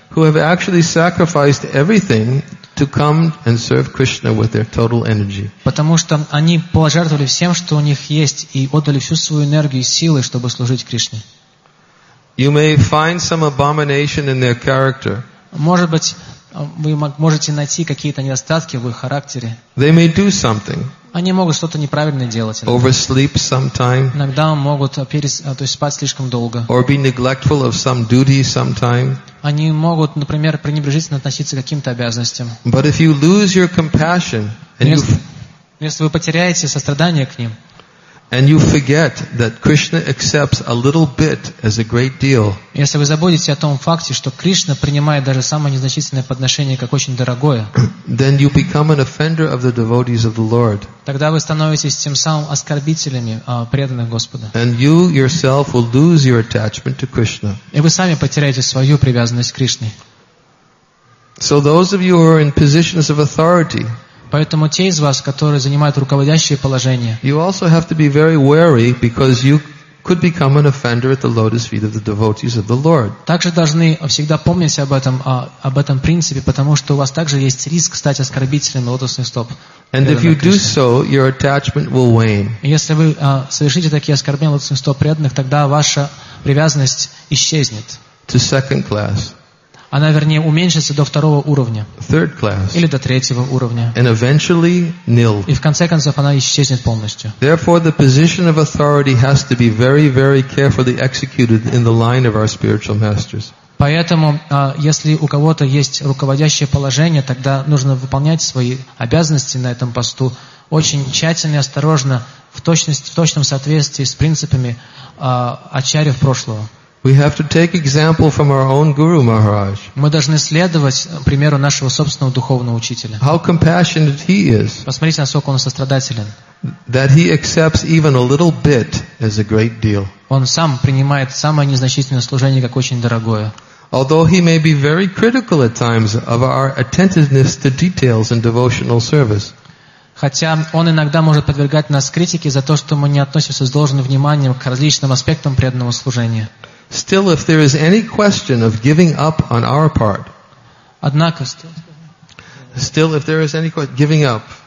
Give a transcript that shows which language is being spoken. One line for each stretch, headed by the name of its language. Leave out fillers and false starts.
English: Who have actually sacrificed everything to come and serve Krishna with their total energy.
Russian: Потому что они пожертвовали всем, что у них есть, и отдали всю свою энергию и силы, чтобы служить Кришне.
English: You may find some abomination in their character.
Russian: Может быть, вы можете найти какие-то недостатки в их характере.
English: They may do something.
Russian: Они могут что-то неправильное делать.
English: Oversleep sometime.
Russian: Иногда могут спать слишком долго.
English: Or be neglectful of some duty sometime.
Russian: Они могут, например, пренебрежительно относиться к каким-то обязанностям.
English: But if you lose your compassion
Russian: если вы потеряете сострадание к ним.
English: And you forget that Krishna accepts a little bit as a great deal.
Russian: Если вы забудете о том факте, что Кришна принимает даже самое незначительное подношение как очень дорогое,
English: then you become an offender of the devotees of the Lord.
Russian: Тогда вы становитесь тем самым оскорбителями преданных Господа.
English: And you yourself will lose your attachment to Krishna.
Russian: И вы сами потеряете свою привязанность к Кришне.
English: So those of you who are in positions of authority.
Russian: Поэтому те из вас, которые занимают руководящее положение,
English: you also have to be very wary because you could become an offender at the lotus feet of the devotees of the Lord.
Russian: Также должны всегда помнить об этом принципе, потому что у вас также есть риск стать оскорбителем лотосных стоп.
English: And if you do so, your attachment will wane.
Russian: Если вы совершите такие оскорбления лотосных стоп преданных, тогда ваша привязанность исчезнет.
English: To second class.
Russian: Она, вернее, уменьшится до второго уровня.
English: Third class.
Russian: Или до третьего уровня.
English: And eventually nil.
Russian: И в конце концов она исчезнет полностью.
English: Therefore, the position of authority has to be very, very carefully executed in the line of our spiritual masters.
Russian: Поэтому, если у кого-то есть руководящее положение, тогда нужно выполнять свои обязанности на этом посту очень тщательно и осторожно, в точном соответствии с принципами ачарьев прошлого.
English: We have to take example from our own Guru Maharaj.
Russian: Мы должны следовать примеру нашего собственного духовного учителя.
English: How compassionate he is.
Russian: Посмотрите, насколько он сострадателен.
English: That he accepts even a little bit as a great deal.
Russian: Он сам принимает самое незначительное служение как очень дорогое.
English: Although he may be very critical at times of our attentiveness to details in devotional service.
Russian: Хотя он иногда может подвергать нас критике за то, что мы не относимся с должным вниманием к различным аспектам преданного служения.
English: Still, if there is any question of giving up on our part,
Russian: однако,
English: still, if there is any question giving up,